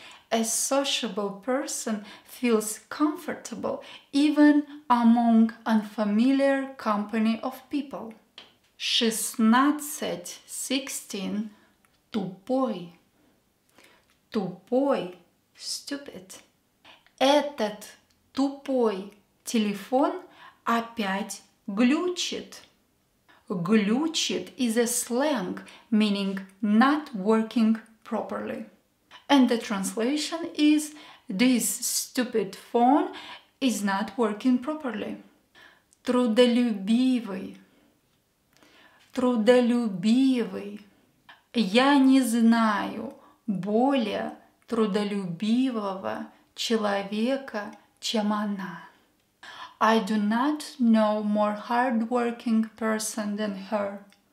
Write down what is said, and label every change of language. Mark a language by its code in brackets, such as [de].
[en] A sociable person feels comfortable even among unfamiliar company of people. [ru] 16. Тупой. Тупой. [en] Stupid. [ru] Этот тупой телефон опять глючит. [en] Глючит is a slang meaning not working properly. And the translation is this stupid phone is not working properly. [ru] Трудолюбивый. Трудолюбивый. Я не знаю более трудолюбивого человека, чем она. [en] I do not know more hardworking person than her.